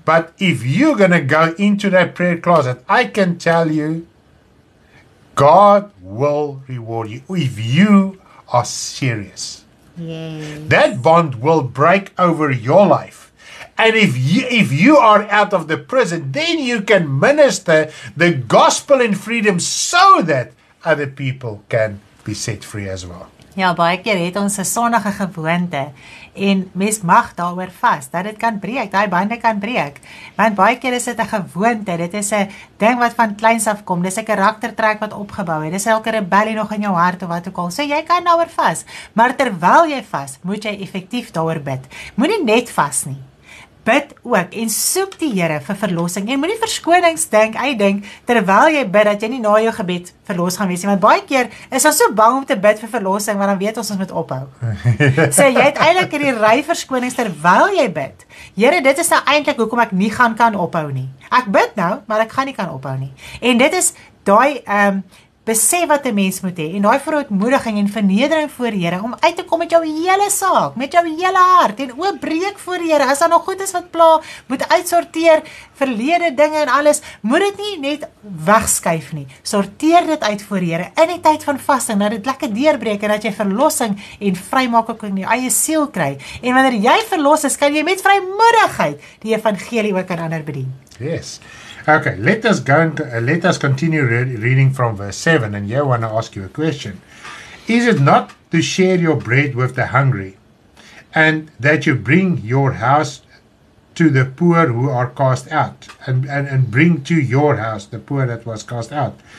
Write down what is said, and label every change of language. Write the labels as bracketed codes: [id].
[en] But if you're going to go into that prayer closet, I can tell you, God will reward you if you are serious. Yes. That bond will break over your life. And if you are out of the prison, then you can minister the gospel in freedom so that other people can be set free as well. [af] Ja, baie keer het ons 'n sondige gewoonte en mens mag daaroor vas dat dit kan breek, daai bande kan breek. Want baie keer is dit 'n gewoonte, dit is 'n ding wat van kleins af kom, dis 'n karaktertrek wat opgebou het. Dis elke rebellie nog in jou hart of wat ook al. So jy kan daaroor vas, maar terwyl jy vas, moet jy effektief daaroor bid. Moenie net vas nie. Bid ook en soek die Here vir verlossing en moenie verskonings dink, jy dink terwyl jy bid dat jy nie na jou gebed verlos gaan wees nie, want baie keer is ons so bang om te bid vir verlossing want dan weet ons moet ophou. So jy het eintlik hierdie ry verskonings terwyl jy bid. Here, dit is nou eintlik hoekom ek nie gaan kan ophou nie. Ek bid nou, maar ek gaan nie kan ophou nie. En dit is daai besef wat 'n mens moet hê en daai verootmoediging en vernedering voor die Here om uit te kom met jou hele saak, met jou hele hart en oopbreek voor die Here. As daar nog goed is wat pla, moet uitsorteer verlede dinge en alles. Moet dit nie net wegskuif nie. Sorteer dit uit voor die Here in die tyd van vasting, dat dit lekker deurbreek en dat jy verlossing en vrymaking in jou eie siel kry. En wanneer jy verlos is, kan jy met vrymoedigheid die evangelie ook aan ander bedien. [en] Yes. Okay, let us continue reading from verse 7, and here I want to ask you a question. Is it not to share your bread with the hungry, and that you bring your house to the poor who are cast out, and bring to your house the poor that was cast out?